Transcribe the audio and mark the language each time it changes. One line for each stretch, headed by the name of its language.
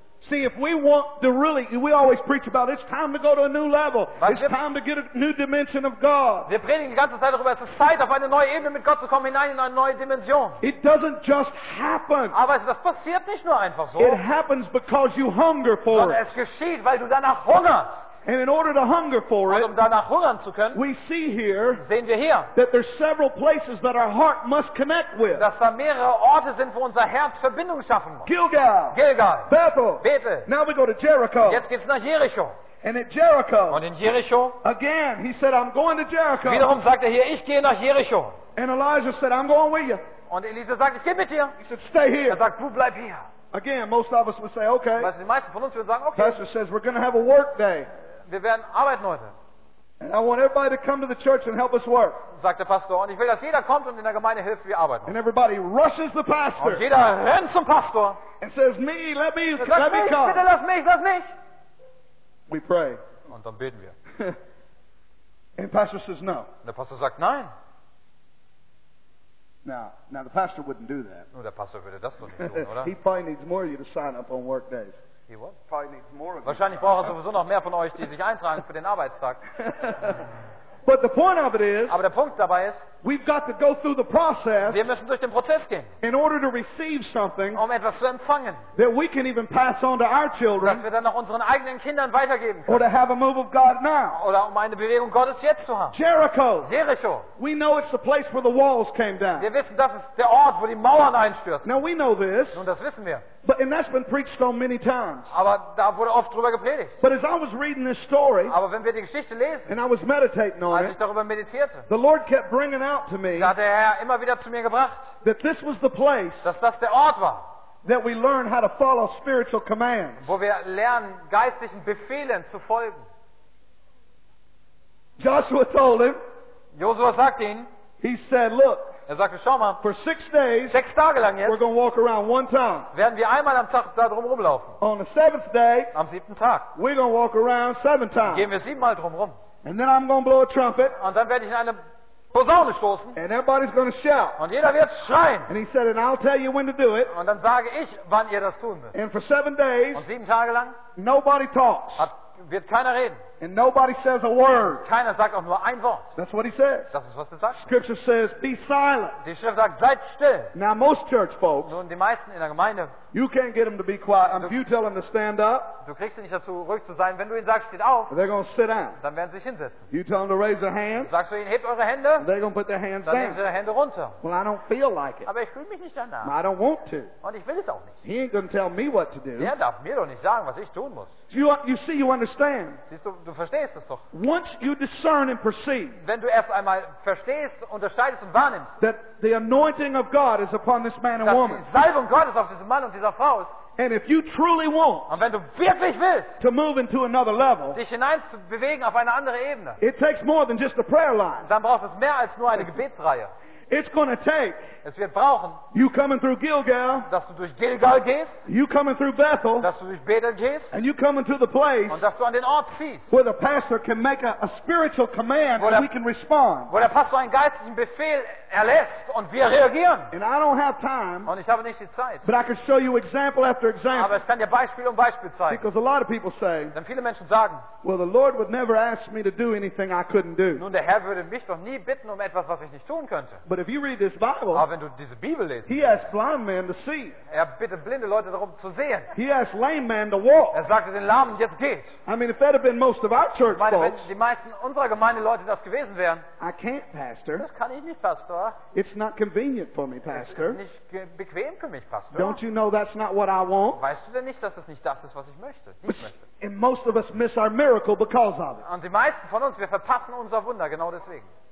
English: See, if we want to really, we always preach about it's time to go to a new level. It's time to get a new dimension of God.
German: Wir predigen die ganze Zeit darüber, es ist Zeit, auf eine neue Ebene mit Gott zu kommen, hinein in eine neue Dimension.
English: It doesn't just happen.
German: Aber das passiert nicht nur einfach so.
English: It happens because you hunger for it.
German: Es geschieht, weil du danach hungerst.
English: And in order to hunger for it,
German: um danach hungern zu können,
English: we see here,
German: sehen wir hier,
English: that there's several places that our heart must connect with.
German: Dass da mehrere Orte sind, wo unser Herz Verbindung schaffen muss.
English: Gilgal. Bethel. Now we go to Jericho.
German: Jetzt geht's nach Jericho.
English: And at Jericho,
German: und in Jericho,
English: again, he said, I'm going to Jericho.
German: Wiederum sagt hier, ich gehe nach Jericho.
English: And Elijah said, I'm going with you.
German: Und Elisa sagt, ich gehe mit dir.
English: He said, stay here.
German: Er sagt, du bleib hier.
English: Again, most of us would say, okay.
German: Weißt du, die meisten von uns würden sagen, okay.
English: Pastor says, we're going to have a work day.
German: Wir werden arbeiten heute.
English: And I want everybody to come to the church and help us work.
German: Sagt der Pastor, und ich will, dass jeder kommt und in der Gemeinde hilft, wir arbeiten.
English: And everybody rushes the pastor.
German: Und jeder rennt zum Pastor.
English: And says, me, let me, let
German: mich,
English: me come.
German: Bitte lass mich, lass mich.
English: We pray.
German: Und dann beten wir.
English: And pastor says no.
German: Und der Pastor sagt nein.
English: Now the pastor wouldn't do that.
German: Nur der Pastor würde das doch nicht tun, oder?
English: He probably needs more of you to sign up on work days.
German: Wahrscheinlich braucht er sowieso noch mehr von euch, die sich eintragen für den Arbeitstag.
English: But the point of it is,
German: aber der Punkt dabei ist,
English: we've got to go through the process,
German: wir müssen durch den Prozess gehen,
English: in order to receive something,
German: um etwas zu empfangen,
English: that we can even pass on to our children,
German: dass wir dann noch unseren eigenen Kindern weitergeben können,
English: or to have a move of God now,
German: oder um eine Bewegung Gottes jetzt zu haben.
English: Jericho. We know it's the place where the walls came down.
German: Wir wissen, das ist der Ort, wo die Mauern einstürzen.
English: Now we know this.
German: Nun, das wissen wir.
English: But and that's been preached on many times.
German: Aber da wurde oft drüber gepredigt.
English: But as I was reading this story,
German: aber wenn wir die Geschichte lesen,
English: and I was meditating on
German: als ich darüber meditierte,
English: the Lord kept bringing out to me,
German: da hat der Herr immer wieder zu mir gebracht,
English: that this was the place,
German: dass das der Ort war,
English: that we learn how to follow spiritual commands,
German: wo wir lernen, geistlichen Befehlen zu folgen.
English: Joshua told him.
German: Josua sagt ihn.
English: He said, "Look."
German: Er sagte, schau mal,
English: for 6 days,
German: 6 Tage lang jetzt,
English: we're going to walk around one town.
German: Werden wir einmal am Tag da drum rumlaufen.
English: On the seventh day,
German: am siebten Tag,
English: we're going to walk around 7 times.
German: Gehen wir 7 Mal drum rum.
English: And then I'm going to blow a trumpet.
German: Und dann werde ich in eine Posaune stoßen.
English: And everybody's going to shout.
German: Und jeder wird schreien.
English: And he said, and I'll tell you when to do it.
German: Und dann sage ich, wann ihr das tun müsst.
English: And for 7 days,
German: und 7 Tage lang,
English: nobody talks.
German: Wird keiner reden.
English: And nobody says a word.
German: Keiner sagt auch nur ein Wort.
English: That's what he says.
German: Das ist, was er sagt.
English: Scripture says, be silent.
German: Die Schrift sagt, seid still.
English: Now most church folks,
German: nun die meisten in der Gemeinde,
English: you can't get them to be quiet. If you tell them to stand up,
German: du kriegst sie nicht dazu, ruhig zu sein. Wenn du ihnen sagst, steht auf,
English: they're going to sit down.
German: Dann werden sie sich hinsetzen.
English: You tell them to raise their hands,
German: sagst du ihnen, hebt eure Hände,
English: they're going to put their hands
German: dann
English: down.
German: Nehmen sie ihre Hände runter.
English: Well, I don't feel like it.
German: Aber ich fühle mich nicht danach.
English: I don't want to.
German: Und ich will es auch nicht.
English: He ain't going to tell me what to do.
German: Er darf mir doch nicht sagen, was ich tun muss.
English: You see, you understand.
German: Siehst du, du verstehst es doch.
English: Once you discern and perceive,
German: wenn du erst einmal verstehst, unterscheidest und wahrnimmst,
English: that the anointing of God is upon this man and woman,
German: dass die Salbung Gottes auf diesen Mann und dieser Frau ist,
English: and if you truly want,
German: und wenn du wirklich willst,
English: to move into another level,
German: dich hineinzubewegen auf eine andere Ebene,
English: it takes more than just a prayer line.
German: Dann braucht es mehr als nur eine Gebetsreihe.
English: It's going to take.
German: Es wird brauchen.
English: You coming through Gilgal?
German: Dass du durch Gilgal gehst.
English: You coming through Bethel?
German: Dass du durch Bethel gehst.
English: And you coming to the place?
German: Und dass du an den Ort ziehst.
English: Where the pastor can make a spiritual command and we can respond.
German: Wo der Pastor einen geistlichen Befehl erlässt und wir reagieren.
English: And I don't have time.
German: Und ich habe nicht die Zeit.
English: But I can show you example after example.
German: Aber ich kann dir Beispiel um Beispiel zeigen.
English: Because a lot of people say.
German: Denn viele Menschen sagen.
English: Well, the Lord would never ask me to do anything I couldn't do.
German: Nun, der Herr würde mich doch nie bitten um etwas, was ich nicht tun könnte.
English: But if you read this Bible,
German: aber wenn du diese Bibel lesen,
English: he asked blind men to see.
German: Er bittet blinde Leute darum zu sehen.
English: He asked lame men to walk.
German: Er sagte den Lahmen, jetzt geht.
English: I mean, if that had been most of our church
German: meine,
English: folks,
German: wenn die meisten unserer Gemeinde Leute das gewesen wären,
English: I can't, Pastor.
German: Das kann ich nicht, Pastor.
English: It's not convenient for me, Pastor.
German: Es ist nicht bequem für mich, Pastor.
English: Don't you know that's not what I want?
German: Weißt du denn nicht, dass das nicht das ist, was ich möchte?
English: And most of us miss our miracle because of it.
German: Und die meisten von uns, wir verpassen unser Wunder genau deswegen.